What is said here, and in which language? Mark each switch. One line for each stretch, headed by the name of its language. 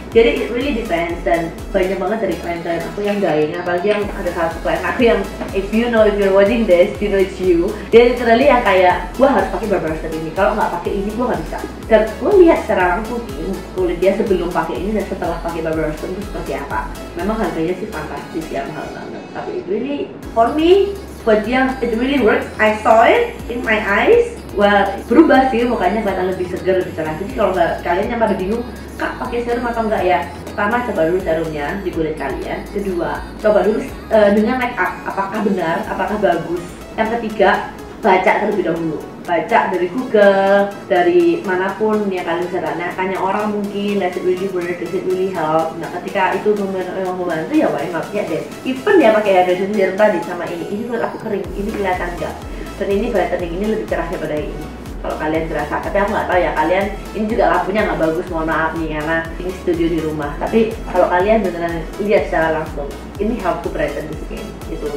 Indonesian: Jadi
English: it really depends,
Indonesian: dan banyak banget dari klien-klien aku yang dying. Apalagi yang ada satu klien aku yang,
English: if you know, if you're watching this, you know it's you.
Indonesian: Dia literally yang kayak, gua harus pakai Barbara Sturm ini, kalau nggak pakai ini, gua nggak bisa. Dan gua lihat secara langsung kulit dia sebelum pakai ini dan setelah pakai Barbara Sturm itu seperti apa. Memang harganya sih fantastis ya, mahal banget. Tapi
English: it really, for me,
Indonesian: buat dia,
English: it really works. I saw it in my eyes.
Indonesian: Well, berubah sih mukanya kelihatan lebih segar, lebih cerah. Jadi kalau nggak, kalian yang pada bingung, kak pakai serum atau enggak ya? Pertama, coba dulu serumnya di kulit kalian. Kedua, coba dulu dengan make up, apakah benar, apakah bagus. Yang ketiga, baca terlebih dahulu. Baca dari Google, dari manapun yang kalian bisa tanya. Tanya orang mungkin,
English: does it really work, does it really help.
Indonesian: Nah ketika itu memang membantu, ya why not, ya deh. Even ya pakai hydration serum tadi sama ini menurut aku kering, ini kelihatan enggak. Dan ini brightening ini lebih cerah daripada ini. Kalau kalian terasa, tapi aku nggak tahu ya kalian. Ini juga lampunya nggak bagus, mohon maaf nih karena ini studio di rumah. Tapi kalau kalian beneran lihat secara langsung, ini
English: help to brighten the skin
Indonesian: gitu.